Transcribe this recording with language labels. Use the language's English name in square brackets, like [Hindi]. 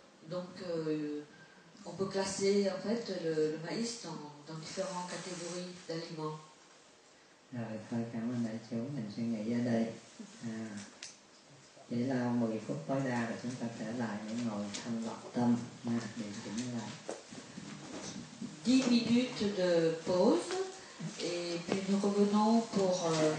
[French] Donc, on peut classer en fait le maïs dans différentes catégories d'aliments. [Vietnamese] Rồi, thôi cảm ơn đại chúng, mình suy nghĩ ra đây. Chỉ là 10 phút tối đa rồi chúng ta trở lại để ngồi thanh lọc tâm, điều chỉnh lại. [French] 10 minutes de pause, et puis nous revenons pour...